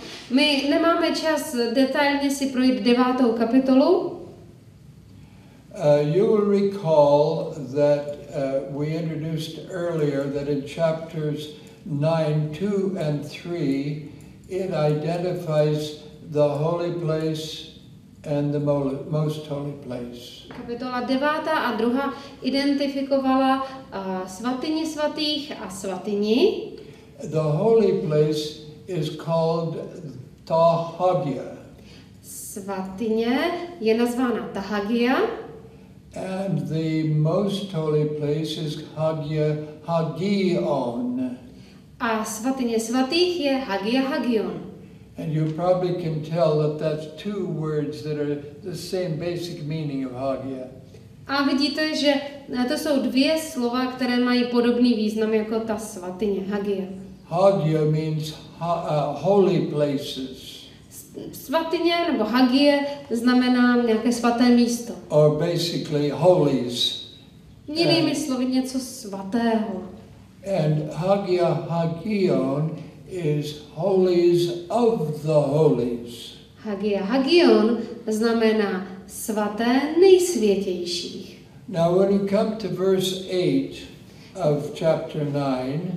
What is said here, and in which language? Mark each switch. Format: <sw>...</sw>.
<cs>my nemáme čas detailně si projít 9. kapitolu.</cs> <en>You will recall that we introduced earlier that in chapters 9, 2 and 3, it identifies the holy place and the most holy place.</en> <cs>Kapitola 9 a 2 identifikovala svatyni svatých a svatyni.</cs> <en>The holy place is called Tahagia.</en> <cs>Svatyně je nazvána Tahagia.</cs> <en>And the most holy place is Hagia Hagion.</en> <cs>A svatyně svatých je Hagia Hagion.</cs> <en>And you probably can tell that that's two words that are the same basic meaning of Hagia.</en> <cs>A vidíte, že to jsou dvě slova, které mají podobný význam jako ta svatyně Hagia.</cs> <en>Hagia means holy places.</en> <cs>Svatyně nebo Hagie znamená nějaké svaté místo.</cs> <en>Or basically holies.</en> <cs>Jinými slovy něco svatého.</cs> <en>And Hagia Hagion is holies of the holies.</en> <cs>Hagia Hagion znamená svaté nejsvětějších.</cs> <en>Now when you come to verse 8 of chapter 9.</en>